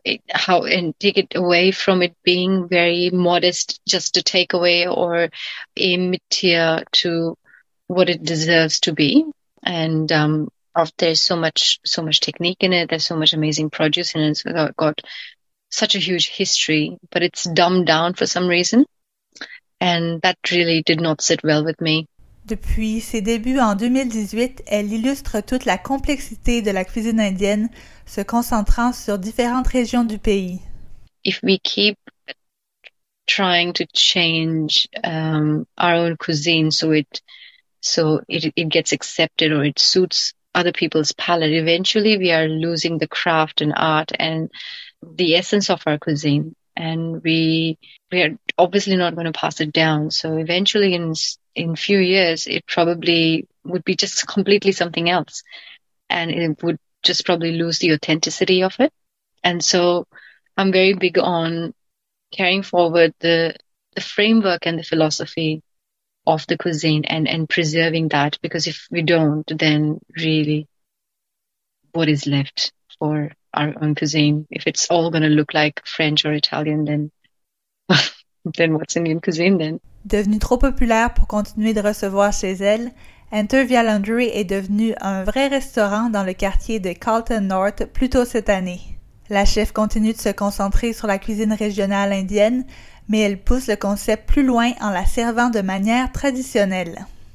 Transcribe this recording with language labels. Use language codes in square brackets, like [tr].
[en] how and take it away from it being very modest, just a takeaway or a mid-tier to what it deserves to be. And there's so much technique in it. There's so much amazing produce in it. It's got such a huge history, but it's dumbed down for some reason. And that really did not sit well with me. [fr] Depuis ses débuts en 2018, elle illustre toute la complexité de la cuisine indienne, se concentrant sur différentes régions du pays. [en] If we keep trying to change our own cuisine so it gets accepted or it suits other people's palate, eventually we are losing the craft and art and the essence of our cuisine. And we are obviously not going to pass it down. So eventually in a few years, it probably would be just completely something else. And it would just probably lose the authenticity of it. And so I'm very big on carrying forward the framework and the philosophy of the cuisine and preserving that. Because if we don't, then really what is left for our own cuisine? If it's all going to look like French or Italian, then what's Indian cuisine then? [fr] Devenue trop populaire pour continuer de recevoir chez elle, Enter Via Laundry est devenu un vrai restaurant dans le quartier de Carlton North plus tôt cette année. La chef continue de se concentrer sur la cuisine régionale indienne, mais elle pousse le concept plus loin en la servant de manière traditionnelle.